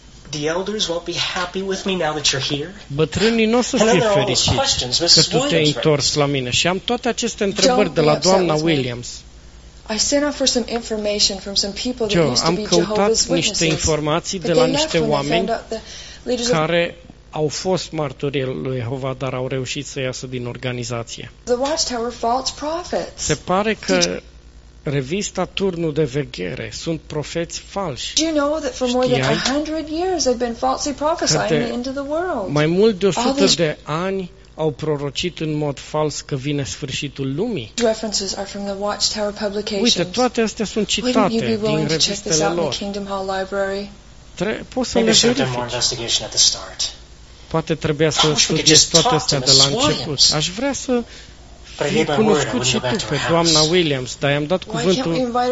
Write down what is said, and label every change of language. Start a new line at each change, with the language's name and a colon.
English: The elders won't be happy with me now that you're here.
Romanian: Bătrânii n-o să fie fericiți că tu te-ai întors la mine. Și am toate aceste întrebări de la doamna Williams.
English: I sent out for some information from some people that used to be Jehovah's Witnesses.
Romanian: Am căutat niște informații de la niște oameni care au fost martorii lui Jehova, dar au reușit să iasă din organizație.
English: The Watchtower false prophets.
Romanian: Se pare că revista Turnul de Veghere sunt profeți falși.
English: Do you know that for more than 100 years they've been falsely prophesying into the world?
Romanian: Mai mult de 100 de ani au prorocit în mod fals că vine sfârșitul lumii.
English: References are from the Watchtower publications.
Romanian: Uite, toate astea sunt citate din revistele lor.
English: Kingdom Hall Library.
Romanian: Poți să le verifici. Poate trebuia să studiez toate astea de la început. Aș vrea să fi cunoscut și tu pe doamna Williams, dar i-am dat cuvântul,